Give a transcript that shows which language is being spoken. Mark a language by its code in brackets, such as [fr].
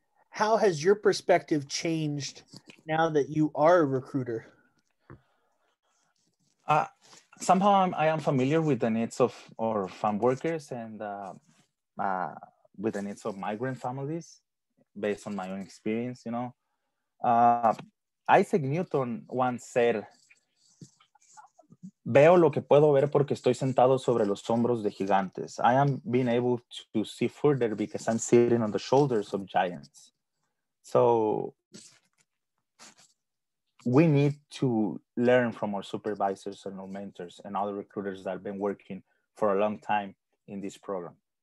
[en] How has your perspective changed now that you are a recruiter? Somehow I am familiar with the needs of our farm workers and with the needs of migrant families based on my own experience, you know. Isaac Newton once said, [es] veo lo que puedo ver porque estoy sentado sobre los hombros de gigantes. [en] I am being able to see further because I'm sitting on the shoulders of giants. So we need to learn from our supervisors and our mentors and other recruiters that have been working for a long time in this program.